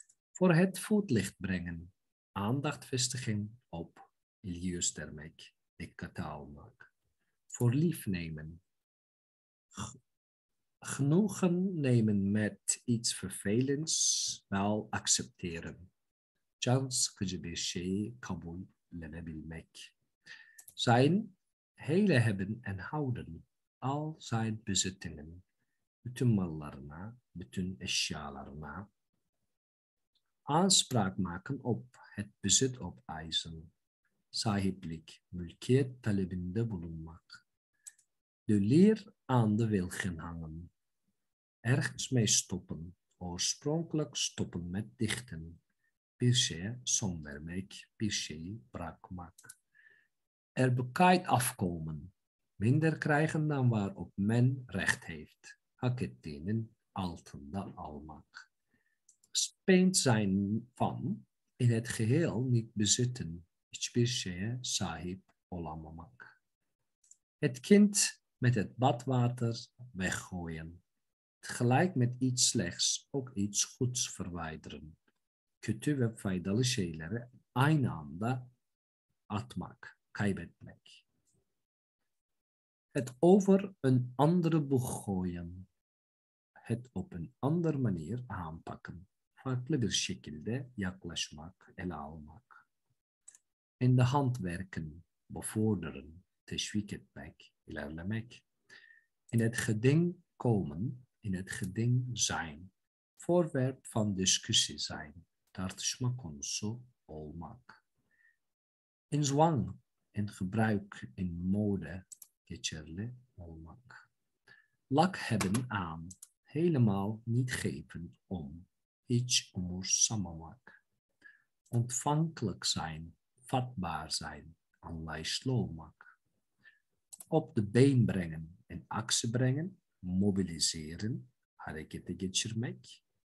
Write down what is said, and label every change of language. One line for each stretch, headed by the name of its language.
Dutch: Voor het voetlicht brengen, aandacht vestigen op,
Turkish: ilgi göstermek, dikkate almak.
Dutch: Voor lief nemen, genoegen nemen met iets vervelends, wel accepteren.
Turkish: Can sıkıcı bir şeyi kabullenebilmek.
Dutch: Zijn, hele hebben en houden, al zijn bezittingen,
Turkish: bütün mallarına, bütün eşyalarına.
Dutch: Aanspraak maken op, het bezit op eisen.
Turkish: Sahiplik, mülkiyet talebinde bulunmak.
Dutch: De leer aan de wilgen hangen. Ergens mee stoppen, oorspronkelijk stoppen met dichten.
Turkish: Bir şeye son vermek, bir şeyi bırakmak.
Dutch: Er bekijt afkomen, minder krijgen dan waarop men recht heeft.
Turkish: Hak ettiğinin altında almak.
Dutch: Speend zijn van, in het geheel niet bezitten,
Turkish: hiçbir şeye sahip olamamak.
Dutch: Het kind met het badwater weggooien. Tegelijk met iets slechts ook iets goeds verwijderen.
Turkish: Kötü ve faydalı şeyleri aynı anda atmak, kaybetmek.
Dutch: Het over een andere boeg gooien. Het op een andere manier aanpakken.
Turkish: Farklı bir şekilde yaklaşmak, ele almak.
Dutch: In de hand werken, bevorderen,
Turkish: teşvik etmek, ilerlemek.
Dutch: In het geding komen, in het geding zijn. Voorwerp van discussie zijn.
Turkish: Tartışma konusu olmak.
Dutch: In zwang, in gebruik, in mode,
Turkish: geçerli olmak.
Dutch: Lak hebben aan, helemaal niet geven om,
Turkish: hiç umursamamak.
Dutch: Ontvankelijk zijn, vatbaar zijn,
Turkish: anlayışlı olmak.
Dutch: Op de been brengen, in actie brengen, mobiliseren,
Turkish: harekete geçirmek.